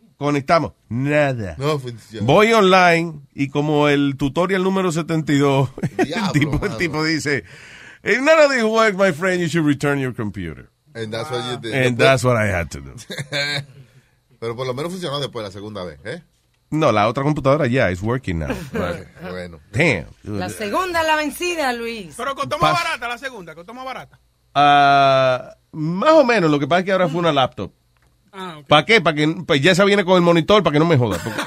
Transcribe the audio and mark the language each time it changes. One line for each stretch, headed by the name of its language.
Spanish: conectamos, nada. No funciona. Voy online y como el tutorial número 72, el tipo dice,
English: if none of this works, my friend, you should return your computer. And that's what you did. And that's what I had to do.
Spanish: Pero por lo menos funcionó después, la segunda vez, ¿eh? No, la otra computadora, ya,
English: it's working now.
Spanish: Bueno.
English: Damn.
Spanish: La segunda la vencida, Luis. Pero costó más barata la segunda, costó más barata. Más o menos, lo que pasa es que ahora fue una laptop.
English: Ah, okay.
Spanish: ¿Para qué? Para que pues ya se viene con el monitor para que no me joda.